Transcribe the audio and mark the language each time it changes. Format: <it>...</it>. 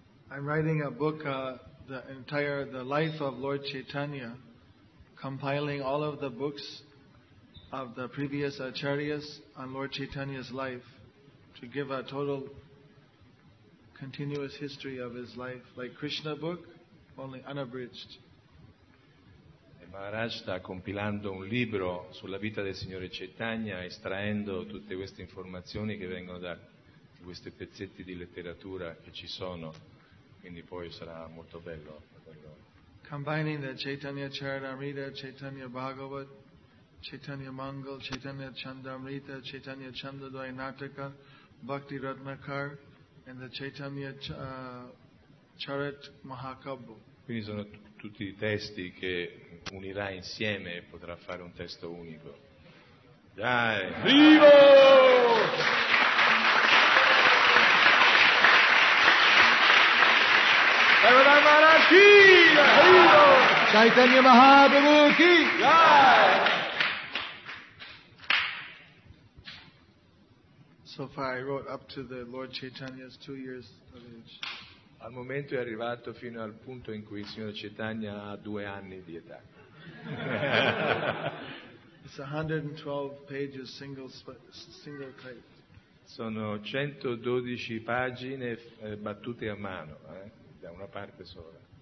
<en>I'm writing a book, the life of Lord Chaitanya, compiling all of the books of the previous acharyas on Lord Chaitanya's life to give a total continuous history of his life, like Krishna book, only unabridged.</en> <it>Maharaj sta compilando un libro sulla vita del Signore Chaitanya, estraendo tutte queste informazioni che vengono da questi pezzetti di letteratura che ci sono, quindi poi sarà molto bello.</it> <en>Combining the Chaitanya Charitamrita, Chaitanya Bhagavat, Chaitanya Mangal, Chaitanya Chandamrita, Chaitanya Chandadvaya Nataka, Bhakti Ratnakar, and the Chaitanya Charit Mahakabbu.</en> <it>Quindi sono tutti i testi che unirà insieme e potrà fare un testo unico. Dai! Vivo! Chaitanya Mahaprabhu ki! Dai!</it> <en>So far I wrote up to the Lord Chaitanya's 2 years of age.</en> <it>Al momento è arrivato fino al punto in cui il signor Chaitanya ha 2 anni di età.</it> <en>It's 112 pages single type.</en> <it>Sono 112 pagine battute a mano, da una parte sola.</it>